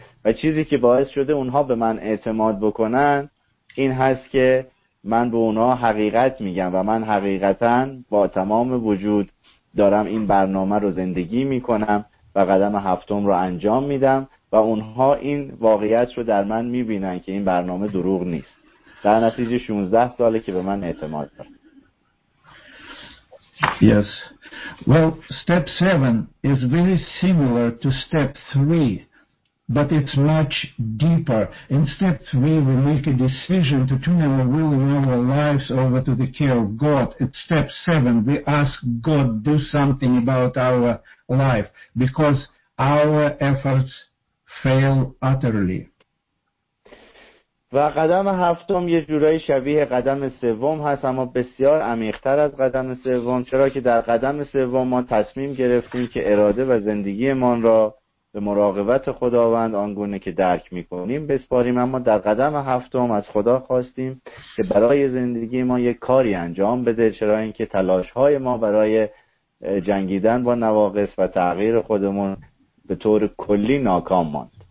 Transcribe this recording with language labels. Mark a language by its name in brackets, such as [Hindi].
[Persian] و چیزی که باعث شده اونها به من اعتماد بکنن این هست که من به اونها حقیقت میگم و من حقیقتاً با تمام وجود دارم این برنامه رو زندگی میکنم و قدم هفتم رو انجام میدم و اونها این واقعیت رو در من میبینن که این برنامه دروغ نیست. در نتیجه 16 ساله که به من اعتماد دارن. [English] Yes. Well, step 7 is very similar to step 3, but it's much deeper. In step 3, we make a decision to turn our will and our lives over to the care of God. At step 7, we ask God to do something about our life because our efforts fail utterly. [Persian] و قدم هفتم یه جورایی شبیه قدم سوم هست اما بسیار عمیق‌تر از قدم سوم، چرا که در قدم سوم ما تصمیم گرفتیم که اراده و زندگی من را به مراقبت خداوند آنگونه که درک می‌کنیم بسپاریم، اما در قدم هفتم از خدا خواستیم که برای زندگی ما یک کاری انجام بده، چرا اینکه تلاش‌های ما برای جنگیدن با نواقص و تغییر خودمون به طور کلی ناکام ماند.